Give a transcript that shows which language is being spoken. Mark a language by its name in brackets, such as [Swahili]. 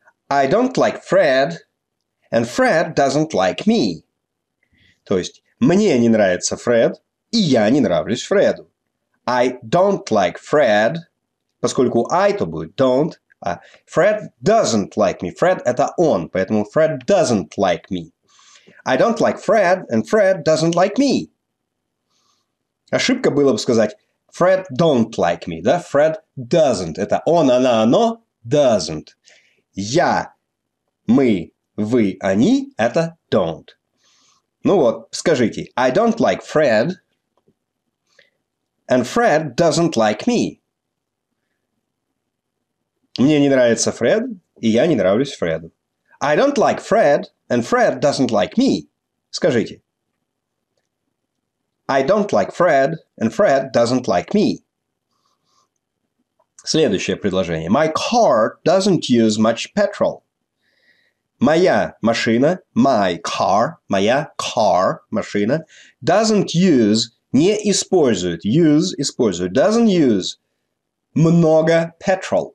[English] I don't like Fred, and Fred doesn't like me. [Russian] То есть, мне не нравится Фред, и я не нравлюсь Фреду. [English] I don't like Fred, [Russian] поскольку [English] I [Russian] то будет [English] don't, [Russian] а [English] Fred doesn't like me. Fred [Russian] это он, поэтому [English] Fred doesn't like me. I don't like Fred, and Fred doesn't like me. [Russian] Ошибка было бы сказать [English] Fred don't like me, [Russian] да? [English] Fred doesn't. [Russian] Это он, она, оно, doesn't. Я, мы, вы, они, это don't. Ну вот, скажите, [English] I don't like Fred, and Fred doesn't like me. [Russian] Мне не нравится Фред, и я не нравлюсь Фреду. [English] I don't like Fred, and Fred doesn't like me. [Russian] Скажите. [English] I don't like Fred, and Fred doesn't like me. [Russian] Следующее предложение. [English] My car doesn't use much petrol. [Russian] Моя машина, [English] my car, [Russian] машина, [English] doesn't use, [Russian] не использует, [English] use, [Russian] использует, [English] doesn't use [Russian] много [English] petrol.